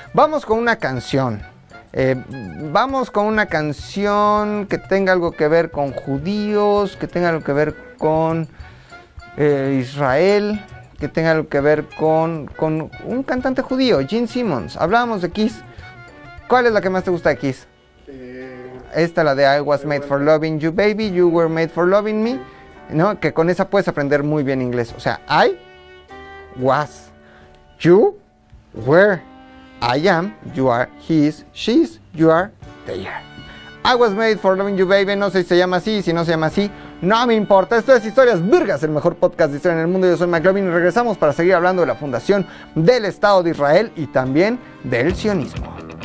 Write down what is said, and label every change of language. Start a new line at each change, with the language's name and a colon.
Spanish: Vamos con una canción. Vamos con una canción que tenga algo que ver con judíos, que tenga algo que ver con Israel, que tenga algo que ver con un cantante judío, Gene Simmons. Hablábamos de Kiss. ¿Cuál es la que más te gusta de Kiss? Esta, la de
English: I was made for loving you, baby, you were made for loving me.
Spanish: Sí. ¿No? Que con esa puedes aprender muy bien inglés. O sea,
English: I was, you were. I am, you are, he is, she is, you are, they are. I was made for loving you, baby.
Spanish: No sé si se llama así, si no se llama así, no me importa. Esto es Historias Virgas, el mejor podcast de historia en el mundo. Yo soy McLovin y regresamos para seguir hablando de la fundación del Estado de Israel y también del sionismo.